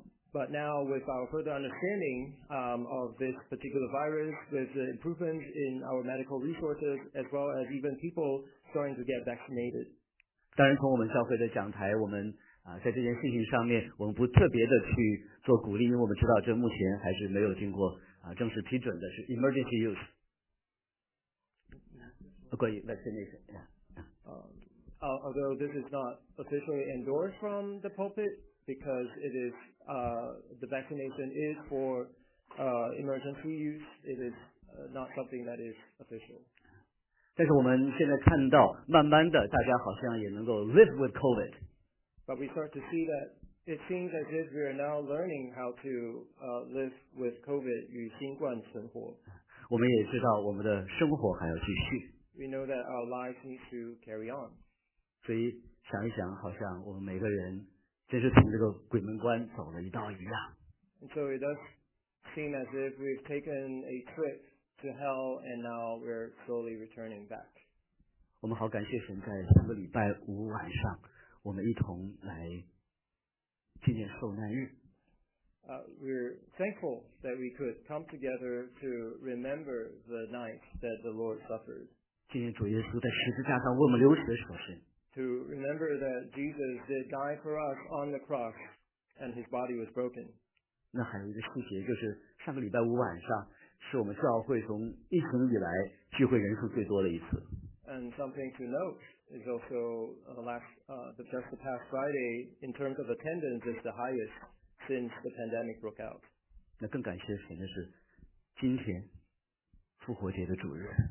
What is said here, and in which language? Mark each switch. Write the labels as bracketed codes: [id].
[en] But now with our further understanding, of this particular virus, with the improvements in our medical resources, as well as even people starting to get vaccinated. [zh] 当然，从我们教会的讲台，我们啊在这件事情上面，我们不特别的去做鼓励，因为我们知道这目前还是没有经过啊正式批准的，是 [en] emergency use。 [zh] 关于 vaccination。 [en] Although this is not officially endorsed from the pulpit, because it is, the vaccination is for, emergency use, it is, not something that is official. [zh] 但是我们现在看到，慢慢的大家好像也能够 [en] live with COVID. But we start to see that it seems as if we are now learning how to, live with COVID [zh] 与新冠存活。我们也知道我们的生活还要继续。 [en] We know that our lives need to carry on. [zh] 所以想一想，好像我们每个人真是从这个鬼门关走了一道一样。 [en] And so it does seem as if we've taken a trip to hell, and now we're slowly returning back. [zh] 我们好感谢神，在上个礼拜五晚上，我们一同来纪念受难日。 [en] We're thankful that we could come together to remember the night that the Lord suffered. [zh] 纪念主耶稣在十字架上为我们流血的舍身。 [en] To remember that Jesus did die for us on the cross, and His body was broken. [zh] 那还有一个细节，就是上个礼拜五晚上是我们教会从疫情以来聚会人数最多的一次。 [en] And something to note is also just the past Friday, in terms of attendance, is the highest since the pandemic broke out. [zh] 那更感谢神的是，今天复活节的主日。